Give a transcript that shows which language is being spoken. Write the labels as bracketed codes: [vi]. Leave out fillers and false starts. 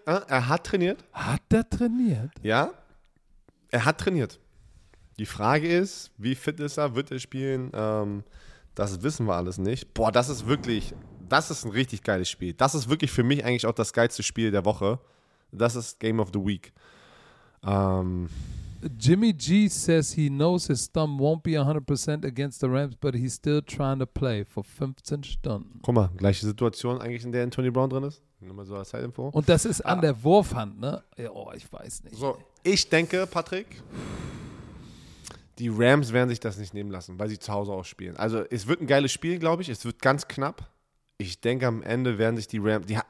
[de] Hat er trainiert? Ja, er hat trainiert. Die Frage ist, wie fit ist er? Wird er spielen? Das wissen wir alles nicht. Boah, das ist ein richtig geiles Spiel. Das ist wirklich für mich eigentlich auch das geilste Spiel der Woche. Das ist Game of the Week. [en] Jimmy G says he knows his thumb won't be 100% against the Rams, but he's still trying to play for 15 Stunden. [de] Guck mal, gleiche Situation eigentlich, in der Antonio Brown drin ist. Nur mal so als Zeitinfo. Und das ist an der Wurfhand, ne? Oh, ich weiß nicht. So, ich denke, Patrick, die Rams werden sich das nicht nehmen lassen, weil sie zu Hause auch spielen. Also, es wird ein geiles Spiel, glaube ich. Es wird ganz knapp. Ich denke, am Ende werden sich die Rams...